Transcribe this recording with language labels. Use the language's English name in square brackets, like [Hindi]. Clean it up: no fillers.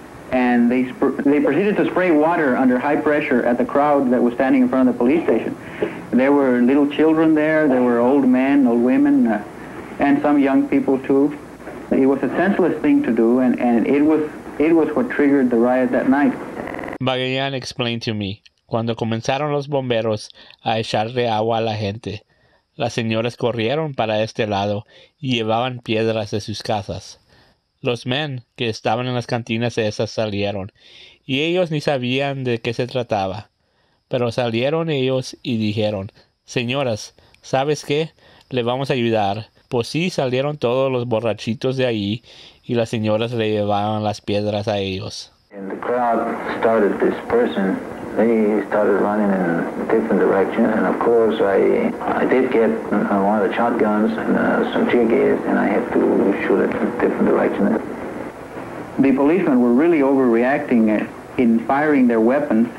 [English] And they proceeded to spray water under high pressure at the crowd that was standing in front of the police station. There were little children there. There were old men, old women, and some young people too. It was a senseless thing to do, and it was what triggered the riot that night. Magallan explained to me, [Spanish] "Cuando comenzaron los bomberos a echarle agua a la gente, las señoras corrieron para este lado y llevaban piedras de sus casas. Los men que estaban en las cantinas esas salieron, y ellos ni sabían de qué se trataba. Pero salieron ellos y dijeron, 'Señoras, ¿sabes qué? Le vamos a ayudar.' Pues sí, salieron todos los borrachitos de ahí, y las señoras le llevaban las piedras a ellos." [English] And the crowd started dispersing. They started running in different directions, and of course I did get one of the shotguns and some tear gas, and I had to shoot it in different directions. The policemen were really overreacting in firing their weapons.